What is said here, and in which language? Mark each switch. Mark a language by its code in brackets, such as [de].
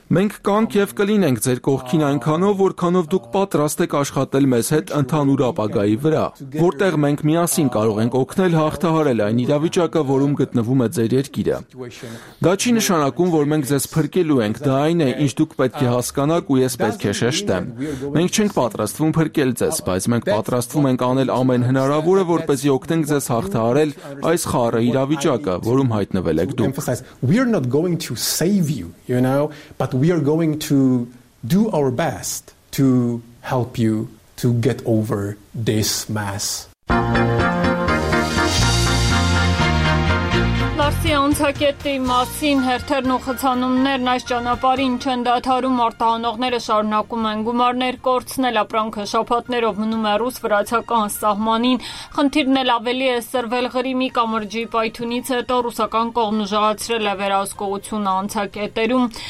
[hy] Մենք կանք եւ կլինենք ձեր կողքին այնքանով, որքանով դուք պատրաստ եք աշխատել մեզ հետ ընդհանուր ապագայի վրա, որտեղ մենք միասին կարող ենք օգնել հաղթահարել այն իրավիճակը, որում գտնվում է ձեր երկիրը։ Դա չի նշանակում, որ մենք ձեզ փրկելու ենք, դա այն է, ինչ դուք պետք է հասկանաք ու ես պետք է շեշտեմ։ Մենք չենք պատրաստվում փրկել ձեզ, բայց մենք պատրաստվում ենք անել ամեն հնարավորը, որպեսզի օգնենք ձեզ հաղթահարել այս խառը իրավիճակը, որում հայտնվել եք դուք։ [en] We are not going to save you, you know, but we are going to do our best to help you to get over this mess. [hy] Լարսի Անցակերտի մասին հերթերն ու խցանումներն այս ճանապարհին չեն դադարում, արտահանողները շարունակում են գումարներ կորցնել, ապրանքը շաբաթներով մնում է ռուս-վրացական սահմանին, խնդիրն էլ ավելի է սրվել Ղրիմի կամրջի պայթունից հետո, ռուսական կողմն ուժեղացրել է վերահսկողությունը Անցակետերում։